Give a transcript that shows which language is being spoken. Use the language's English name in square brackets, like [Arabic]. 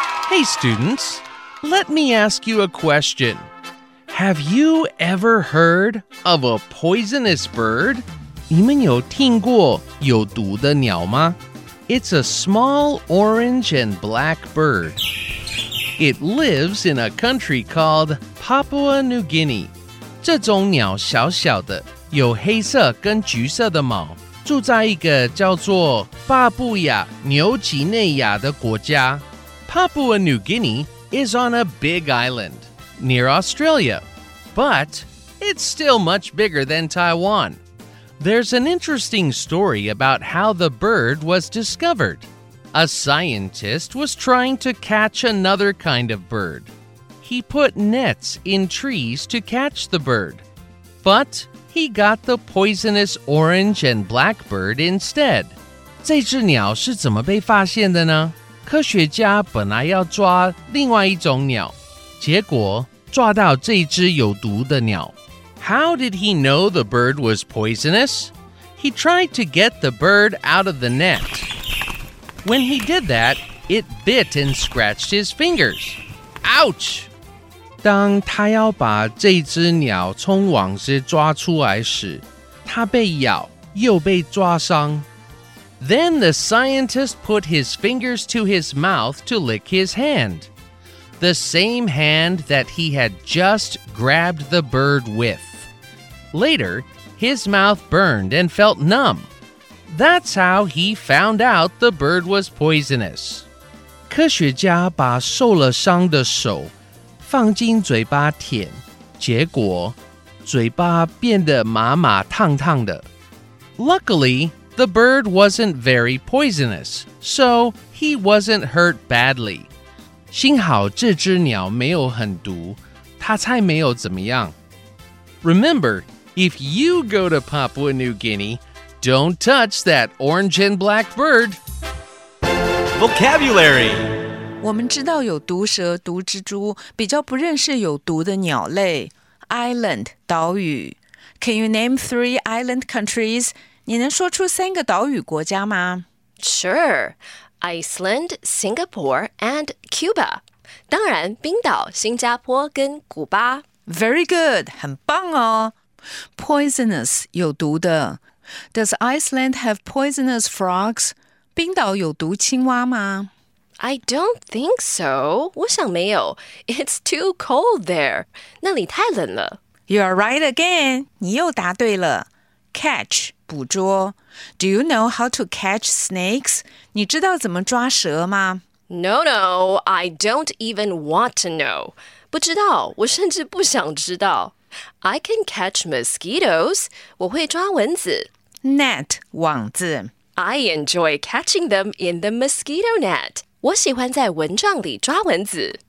[English] Hey students, let me ask you a question. Have you ever heard of a poisonous bird? [Chinese] 你们有听过有毒的鸟吗? [English] It's a small orange and black bird. It lives in a country called Papua New Guinea. [Chinese] 这种鸟小小的,有黑色跟橘色的毛,住在一个叫做巴布亚纽几内亚的国家。 [English] Papua New Guinea is on a big island near Australia, but it's still much bigger than Taiwan. There's an interesting story about how the bird was discovered. A scientist was trying to catch another kind of bird. He put nets in trees to catch the bird, but he got the poisonous orange and black bird instead. [Chinese] 这只鸟是怎么被发现的呢？科学家本来要抓另外一种鸟，结果抓到这只有毒的鸟。 [English] How did he know the bird was poisonous? He tried to get the bird out of the net. When he did that, it bit and scratched his fingers. Ouch! [Chinese] 当他要把这只鸟从网子抓出来时，他被咬又被抓伤。 [English] Then the scientist put his fingers to his mouth to lick his hand. The same hand that he had just grabbed the bird with. Later, his mouth burned and felt numb. That's how he found out the bird was poisonous. [Chinese] 科学家把受了伤的手放进嘴巴舔，结果嘴巴变得麻麻烫烫的。 [English] Luckily,The bird wasn't very poisonous, so he wasn't hurt badly. [Chinese] 幸好这只鸟没有很毒，它才没有怎么样。 [English] Remember, if you go to Papua New Guinea, don't touch that orange and black bird. Vocabulary. [Chinese] 我们知道有毒蛇、毒蜘蛛，比较不认识有毒的鸟类。 [English] Island, 岛屿。Can you name three island countries? [Chinese] 你能说出三个岛屿国家吗? [English] Sure, Iceland, Singapore, and Cuba. [Chinese] 当然,冰岛、新加坡跟古巴。 [English] Very good, [Chinese] 很棒哦。 [English] Poisonous, 有毒的。 Does Iceland have poisonous frogs? [Chinese] 冰岛有毒青蛙吗? [English] I don't think so. [Chinese] 我想没有。 [English] It's too cold there. [Chinese] 那里太冷了。 [English] You are right again. [Chinese] 你又答对了。 [English] Catch. 捕捉。 Do you know how to catch snakes? [Chinese] 你知道怎么抓蛇吗? [English] No, no, I don't even want to know. [Chinese] 不知道,我甚至不想知道。 [English] I can catch mosquitoes. [Chinese] 我会抓蚊子。 [English] Net, 网子。 I enjoy catching them in the mosquito net. [Chinese] 我喜欢在蚊帐里抓蚊子。